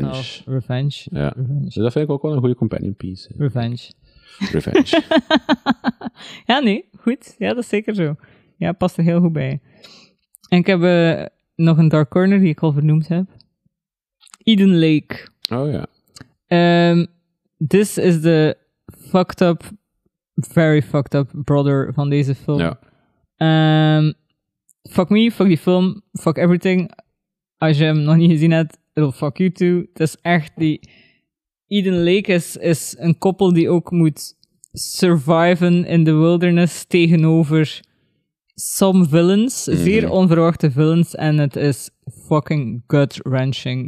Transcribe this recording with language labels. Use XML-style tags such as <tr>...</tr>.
<nl>Nou, revenge. Ja. Revenge. Dus dat vind ik ook wel een goede companion piece. Hè. Revenge. Revenge. Ja, nee. Goed. Ja, dat is zeker zo. Ja, past er heel goed bij. En ik heb nog een dark corner die ik al vernoemd heb. Eden Lake. Oh ja.</nl> <en>This is the fucked up, very fucked up brother van deze film.</en> <nl>Ja.</nl> <en>Fuck me, fuck die film, fuck everything.</en> <nl>Als je hem nog niet gezien hebt,</nl> <en>it'll fuck you too.</en> <nl>Het is echt die... Eden Lake is een koppel die ook moet surviven</nl> <en>in the wilderness</en> <nl>tegenover</nl> <en>some villains.</en> <nl>Mm-hmm. Zeer onverwachte villains. En het is fucking gut-wrenching.</nl>